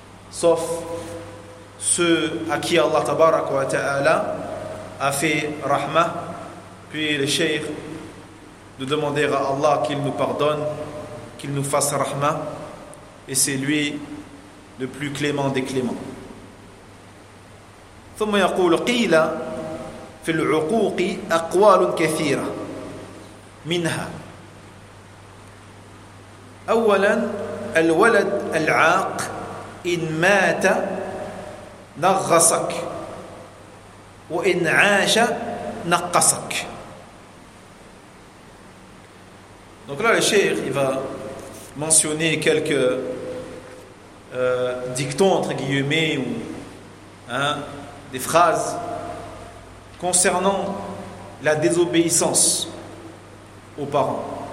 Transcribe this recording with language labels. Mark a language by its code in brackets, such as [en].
[fr] Sauf ceux à qui Allah tabaraka wa ta'ala a fait rahma, puis le cheikh de demander à Allah qu'il nous pardonne, qu'il nous fasse rahma, et c'est lui le plus clément des cléments. [ar] ثم يقول قيل في العقوق أقوال كثيرة منها أولا الولد العاق إن مات نغصك وإن عاش نقصك. [fr] Donc là le cheikh il va mentionner quelques dictons entre guillemets ou des phrases concernant la désobéissance aux parents.